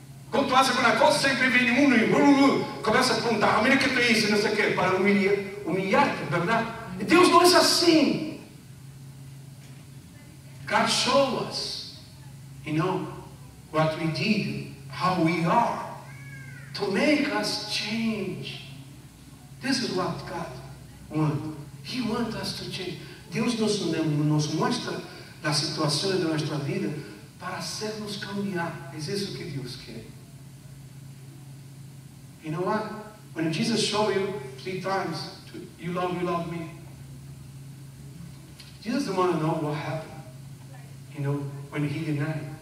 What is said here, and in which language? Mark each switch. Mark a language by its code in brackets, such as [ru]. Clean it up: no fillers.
[pt] Quando tu acha alguma coisa, sempre vem um e começa a perguntar, amém, o que tu isso, não sei o que, para humilhar-te, verdade? E Deus não é assim. [en] God show us, you know, what we did, how we are, to make us change. This is what God wants. He wants us to change. [pt] Deus nos mostra as situações da nossa vida para sermos caminhar. É isso que Deus quer. [en] You know what? When Jesus show you 3 times, you love me. Jesus doesn't want to know what happened. You know, when he denied.